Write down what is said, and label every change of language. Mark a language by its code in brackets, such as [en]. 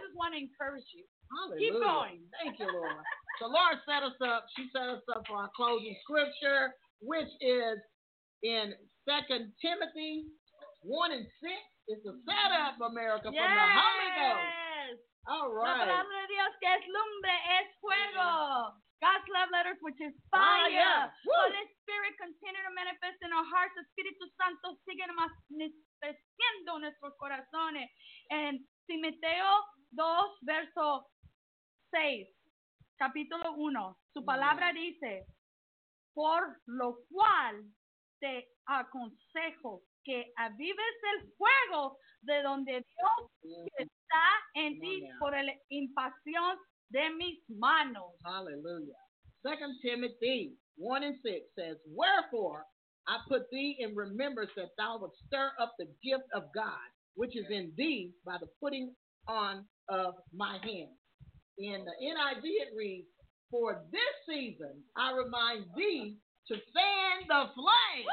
[en] I just want to encourage you. Hallelujah. Keep going. Thank you, Laura. So Laura set us up. She set us up for our closing scripture, which is in 2 Timothy 1 and 6. It's a setup, America, from the Holy Ghost. All right. [es] La palabra de Dios que es lumbre es fuego. [en] God's love letters, which is fire. Holy Spirit, continue to manifest in our hearts. [es] Espíritu Santo, sigue manifestando nuestros corazones. And Timoteo 2, verso 6, capítulo 1. Su palabra dice, por lo cual te aconsejo que avives el fuego de donde Dios está en ti por la impasión de mis manos. [en] Hallelujah. 2 Timothy 1 and 6 says, wherefore I put thee in remembrance that thou would stir up the gift of God, which is in thee by the putting on of my hands. In the NIV it reads, for this season I remind thee to fan the flame.